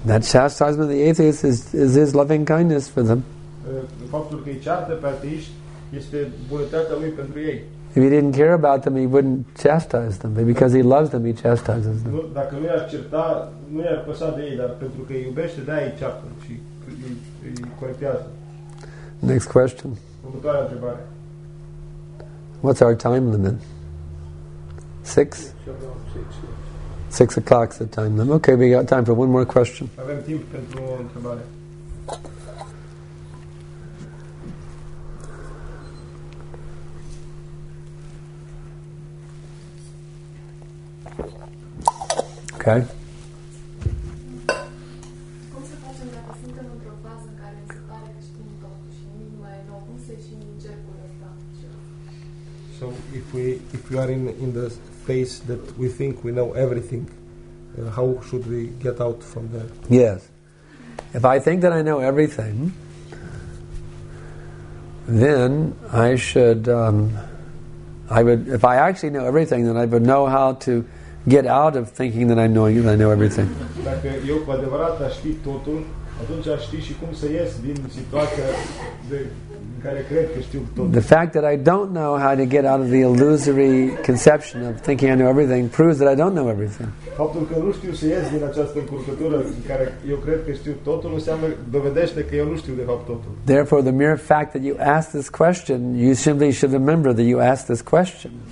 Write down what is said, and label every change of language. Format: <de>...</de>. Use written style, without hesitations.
<en>That chastisement of the atheist is his loving kindness for them.</en> <ro>Faptul că îi ceartă pe ateiști este bunătatea lui pentru ei.</ro> <en>If he didn't care about them, he wouldn't chastise them. But because he loves them, he chastises them.</en> <ro>Dacă nu i-ar certa, nu i-ar păsa de ei, dar pentru că îi iubește, de-aia îi ceartă și îi corectează.</ro> <en>Next question.</en> <ro>Următoarea întrebare.</ro> <en>What's our time limit? 6? 6 o'clock is the time limit. Okay, we got time for one more question.</en> <ro>Avem timp pentru o întrebare.</ro> <en>Okay.</en> <ro>Cum se face dacă suntem într-o fază în care se pare că știm totul și nimic mai e nou, cum se și în cercul ăsta?</ro> <en>So if we are in the phase that we think we know everything, how should we get out from there? Yes. If I think that I know everything, then I should if I actually know everything, then I would know how to get out of thinking that I'm knowing that I know everything.</en> <ro>Dacă eu cu adevărat aș ști totul, atunci aș ști și cum să ies din situația în care cred că știu totul.</ro> <en>The fact that I don't know how to get out of the illusory conception of thinking I know everything proves that I don't know everything.</en> <ro>Faptul că nu știu să ies din această încurcătură în care eu cred că știu totul înseamnă, dovedește că eu nu știu de fapt totul.</ro> <en>Therefore, the mere fact that you ask this question, you simply should remember that you asked this question.</en>